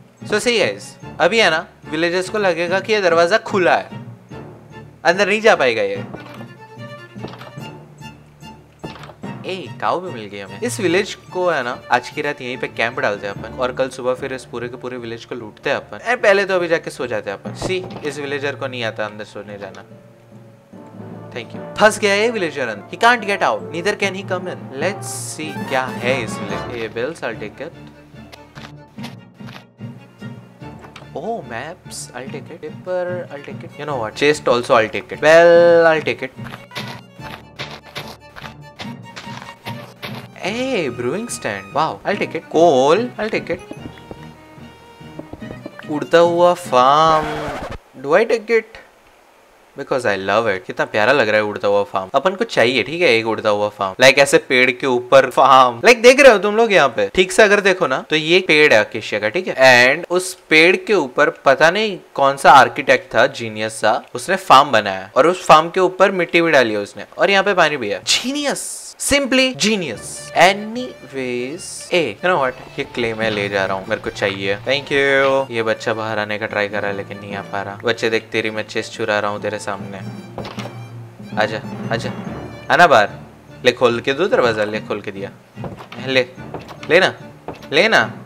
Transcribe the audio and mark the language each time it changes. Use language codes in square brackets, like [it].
[hi] सो see guys, अभी है ना, विलेजर्स को लगेगा कि ये दरवाजा खुला है, अंदर नहीं जा पाएगा ये। ए, काऊ भी मिल गई हमें। इस विलेज को है ना, आज की रात यहीं पे कैंप डालते हैं अपन और कल सुबह फिर इस पूरे के पूरे विलेज को लूटते हैं अपन। एंड पहले तो अभी जाके सो जाते हैं अपन। सी, इस विलेजर को नहीं आता अंदर सोने जाना। [en] Thank you. [hi] फंस गया ये villager, [en] he can't get out, neither can he come in. Let's see [hi] क्या है इस village. [en] Anvils, I'll take it. Oh, maps, I'll take it. Paper, I'll take it. You know what? Chest also, I'll take it. Well, I'll take it. Hey, brewing stand. Wow, I'll take it. Coal, I'll take it. [hi] उड़ता हुआ farm. [en] Do I take it? Because I love it. [hi] कितना प्यारा लग रहा है उड़ता हुआ farm. अपन को चाहिए, ठीक है, एक उड़ता हुआ farm. Like ऐसे पेड़ के ऊपर farm. Like देख रहे हो तुम लोग यहाँ पे? ठीक से अगर देखो ना, तो ये पेड़ है अकेशिया का, ठीक है? And उस पेड़ के ऊपर पता नहीं कौन सा आर्किटेक्ट था, जीनियस सा, उसने farm बनाया और उस farm के ऊपर मिट्टी भी डाली है उसने और यहाँ पे पानी भी है। [en] Genius. Simply genius. Anyways, hey, you know what? [hi] ये क्ले मैं ले जा रहा हूँ, मेरे को चाहिए। [en] Thank you. [hi] ये बच्चा बाहर आने का ट्राई कर रहा है लेकिन नहीं आ पा रहा। बच्चे देख, तेरी मैं चेस चुरा रहा हूँ तेरे सामने। आजा, आजा, आना बाहर। ले खोल के दो दरवाजा। ले खोल के दिया। ले, लेना, लेना।